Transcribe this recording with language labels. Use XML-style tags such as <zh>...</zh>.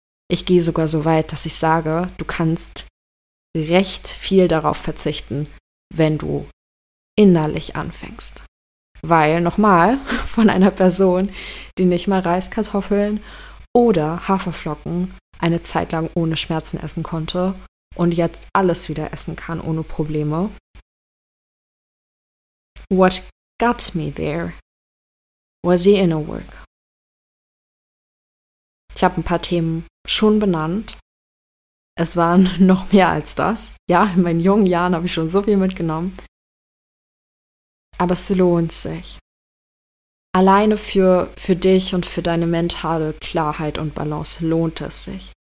<de>Ich gehe sogar so weit, dass ich sage, du kannst recht viel darauf verzichten, wenn du innerlich anfängst. Weil, nochmal, von einer Person, die nicht mal Reiskartoffeln oder Haferflocken eine Zeit lang ohne Schmerzen essen konnte und jetzt alles wieder essen kann ohne Probleme.</de> <en>What got me there was the inner work.</en> <de>Ich habe ein paar Themen schon benannt. Es waren noch mehr als das. Ja, in meinen jungen Jahren habe ich schon so viel mitgenommen. Aber es lohnt sich. Alleine für dich und für deine mentale Klarheit und Balance lohnt es sich.</de>